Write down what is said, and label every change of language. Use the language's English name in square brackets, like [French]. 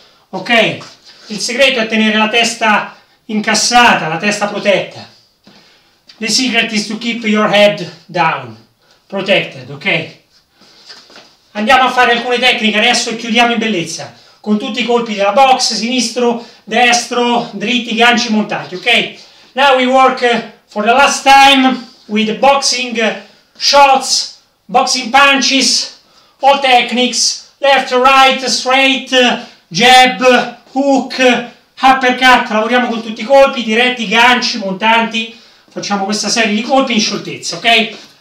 [Italian] Ok, il segreto è tenere la testa incassata, la testa protetta. [English] The secret is to keep your head down, protected, ok? [Italian] Andiamo a fare alcune tecniche adesso e chiudiamo in bellezza. Con tutti i colpi della box, sinistro, destro, dritti, ganci, montati, ok? [English] Now we work for the last time with boxing shots, boxing punches, all techniques, left, right, straight, jab, hook, uppercut, [Italian] lavoriamo con tutti i colpi, diretti, ganci, montanti, facciamo questa serie di colpi in scioltezza, [English] ok?